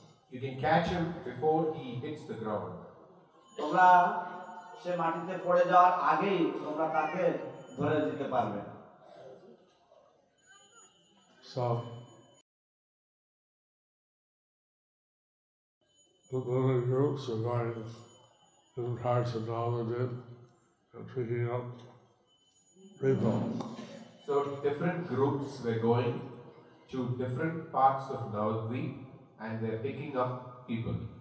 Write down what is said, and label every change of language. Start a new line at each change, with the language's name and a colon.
English: You can catch him before he hits the ground.
Bangla: তোমরা সে মাটিতে পড়ে যাওয়ার আগেই তোমরা তাকে ধরে দিতে পারবে।
English: So, the other groups are going to the parts of knowledge and picking up people. So, different groups were going to different parts of Navadvi and they're picking up people.